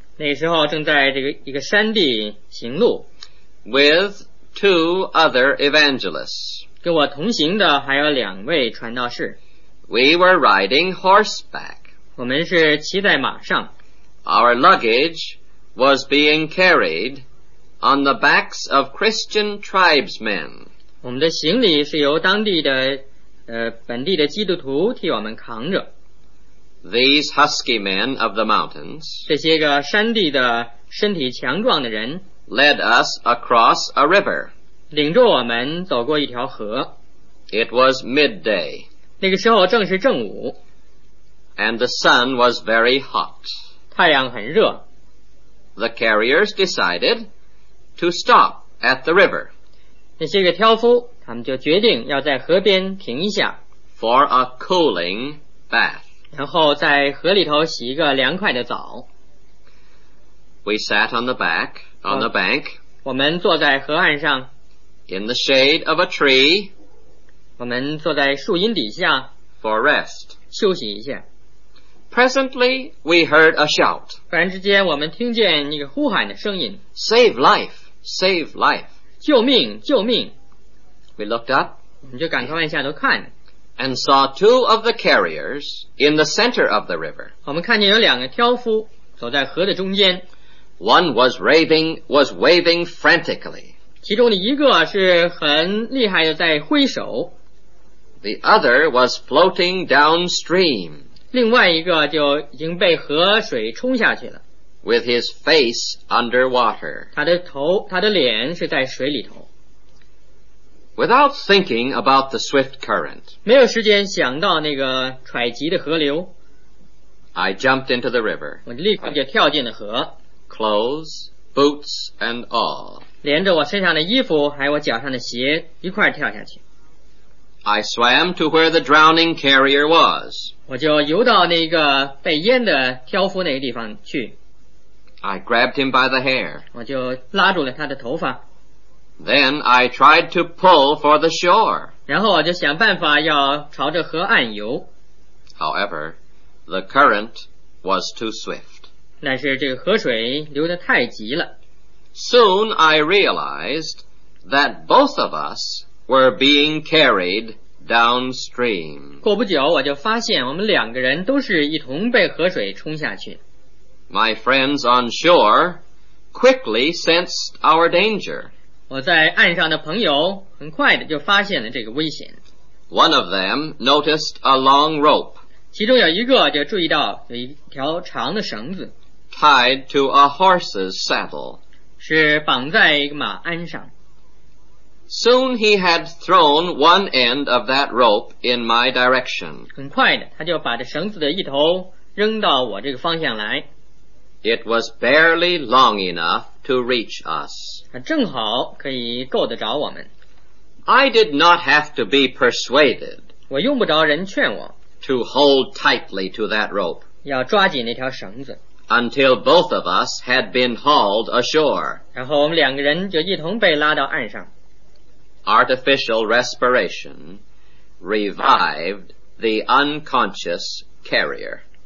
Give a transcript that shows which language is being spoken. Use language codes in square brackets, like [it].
[zh] 那时候正在这个一个山地行路。 [en] With two other evangelists, [zh] 跟我同行的还有两位传道士。 [en] We were riding horseback, [zh] 我们是骑在马上。 [en] Our luggage was being carried. On the backs of Christian tribesmen. [zh] 我们的行李是由当地的本地的基督徒替我们扛着。 [en] These husky men of the mountains. [zh] 这些个山地的身体强壮的人 [en] led us across a river. [zh] 领着我们走过一条河。 [en] It was midday. [zh] 那个时候正是正午。 [en] And the sun was very hot. [zh] 太阳很热。 [en] The carriers decided. To stop at the river. [zh] 那些个挑夫，他们就决定要在河边停一下。 [en] For a cooling bath. [zh] 然后在河里头洗一个凉快的澡。 [en] We sat on the back, on the bank. [zh] 我们坐在河岸上。 [en] In the shade of a tree. [zh] 我们坐在树荫底下。 [en] For rest. [zh] 休息一下。 [en] Presently, we heard a shout. [zh] 突然之间，我们听见一个呼喊的声音。 [en] Save life! Save life! [zh] 救命！救命！ [en] We looked up. [zh] 我们就赶快往下头看。 [en] And saw two of the carriers in the center of the river. [zh] 我们看见有两个挑夫走在河的中间。 [en] One was waving frantically. [zh] 其中的一个是很厉害的在挥手。 [en] The other was floating downstream. [zh] 另外一个就已经被河水冲下去了。 [en] with his face under water. [zh] 他的脸是在水里头。 [en] Without thinking about the swift current, [zh] 没有时间想到那个揣急的河流, [en] I jumped into the river. [zh] 我立刻就跳进了河。 [en] Clothes, boots, and all. [zh] 连着我身上的衣服还有我脚上的鞋一块跳下去。 [en] I swam to where the drowning carrier was. [zh] 我就游到那个被淹的漂浮那个地方去。 [en] I grabbed him by the hair. [zh] 我就拉住了他的头发。 [en] Then I tried to pull for the shore. [zh] 然后我就想办法要朝着河岸游。 [en] However, the current was too swift. [zh] 但是这个河水流得太急了。 [en] Soon I realized that both of us were being carried downstream. [zh] 过不久我就发现我们两个人都是一同被河水冲下去。 [en] My friends on shore quickly sensed our danger. [zh] 我在岸上的朋友很快的就发现了这个危险。 [en] One of them noticed a long rope. [zh] 其中有一个就注意到有一条长的绳子。 [en] Tied to a horse's saddle. [zh] 是绑在一个马鞍上。 [en] Soon he had thrown one end of that rope in my direction. [zh] 很快的他就把这绳子的一头扔到我这个方向来。 [en] It was barely long enough to reach us. [zh] 正好可以够得着我们。 [en] I did not have to be persuaded. [zh] 我用不着人劝我。 [en] To hold tightly to that rope. [zh] 要抓紧那条绳子。 [en] Until both of us had been hauled ashore. [zh] 然后我们两个人就一同被拉到岸上。 [en] Artificial respiration revived the unconscious carrier.